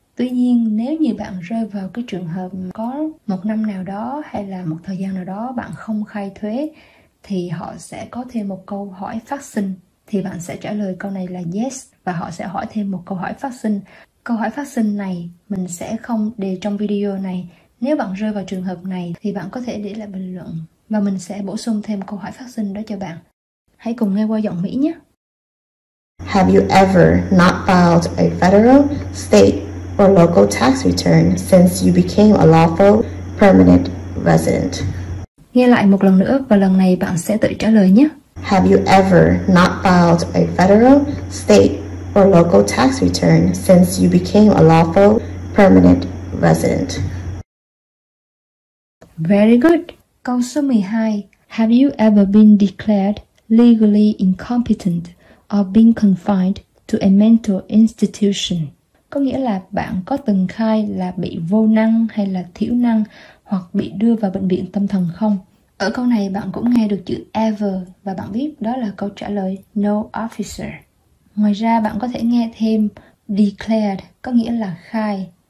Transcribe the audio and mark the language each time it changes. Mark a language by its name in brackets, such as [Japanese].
[Vietnamese] Tuy nhiên nếu như bạn rơi vào cái trường hợp có một năm nào đó hay là một thời gian nào đó bạn không khai thuế thì họ sẽ có thêm một câu hỏi phát sinh, thì bạn sẽ trả lời câu này là yes và họ sẽ hỏi thêm một câu hỏi phát sinh. Câu hỏi phát sinh này mình sẽ không đề trong video này. Nếu bạn rơi vào trường hợp này thì bạn có thể để lại bình luận và mình sẽ bổ sung thêm câu hỏi phát sinh đó cho bạn. Hãy cùng nghe qua giọng Mỹ nhé. [English] Have you ever not filed a federal, state or local tax return since you became a lawful permanent resident? [Vietnamese] Nghe lại một lần nữa và lần này bạn sẽ tự trả lời nhé. [English] Have you ever not filed a federal, state or local tax return since you became a lawful permanent resident? Very good. [Vietnamese] Câu số 12. [English] Have you ever been declared legally incompetent or been confined to a mental institution? [Vietnamese] Có nghĩa là bạn có từng khai là bị vô năng hay là thiểu năng hoặc bị đưa vào bệnh viện tâm thần không? Ở câu này bạn cũng nghe được chữ ever và bạn biết đó là câu trả lời [English] no officer. [Vietnamese] Ngoài ra bạn có thể nghe thêm declared có nghĩa là khai.